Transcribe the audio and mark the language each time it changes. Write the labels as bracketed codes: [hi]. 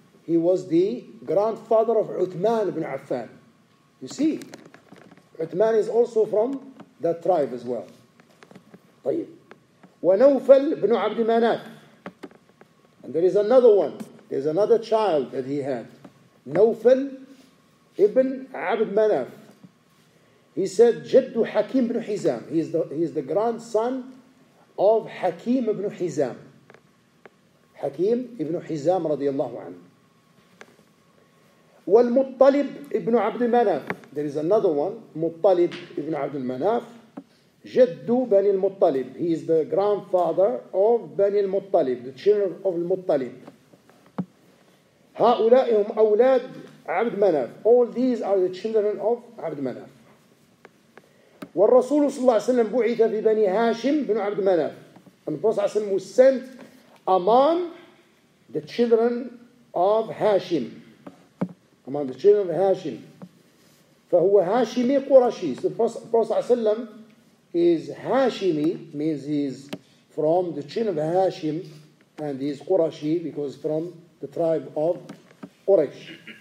[en] He was the grandfather of Uthman ibn Affan. You see, Uthman is also from that tribe as well. [ar] طيب. ونوفل بن عبد مناف. [en] And there is another one. There's another child that he had. [ar] نوفل ibn عبد مناف. [en] He said, [ar] جد حكيم بن حزام. [en] He is the grandson of حكيم ibn حزام. [ar] حكيم ibn حزام رضي الله عنه. والمطلب ابن عبد المناف. [en] There is another one, مطلب ابن عبد المناف. [ar] جد بني المطلب. [en] He is the grandfather of بني المطلب, the children of المطلب. [ar] هؤلاء هم أولاد عبد المناف. [en] All these are the children of عبد المناف. [ar] والرسول صلى الله عليه وسلم بعث في بني هاشم بن عبد المناف. [en] And the Prophet [ar] صلى الله عليه وسلم [en] was sent among the children of Hashim. Among the children of Hashim. [ar] فهو هاشمي قرشي. [en] So the Prophet ﷺ is هاشمي, means he's from the children of Hashim, and he's قرشي because from the tribe of Quraysh.